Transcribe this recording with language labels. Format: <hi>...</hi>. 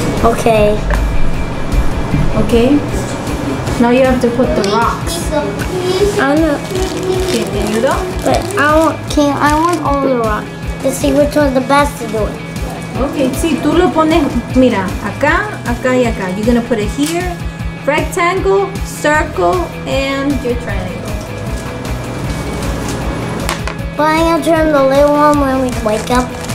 <en>Okay. Okay. Now you have to put the rocks. I want all the rocks to see which one's the best to do it.</en> <es>Okay, sí, tú lo pones, mira, acá, acá y acá.</es> <en>You're gonna put it here, rectangle, circle, and your triangle. But I'm gonna turn the little one when we wake up.</en>